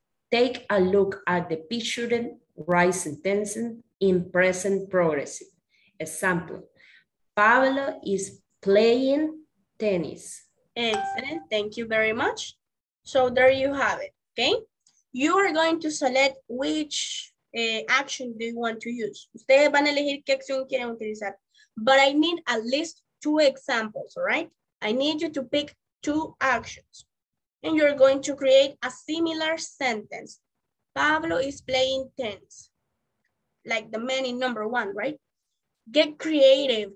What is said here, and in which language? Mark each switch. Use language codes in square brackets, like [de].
[en] Take a look at the picture and write sentences in present progressive. Example, Pablo is playing tennis. Excellent, thank you very much. So there you have it, okay? You are going to select which action do you want to use. [es] Ustedes van a elegir qué acción quieren utilizar. [en] But I need at least two examples, all right? I need you to pick two actions. And you're going to create a similar sentence. Pablo is playing tennis. Like the man in number one, right? Get creative.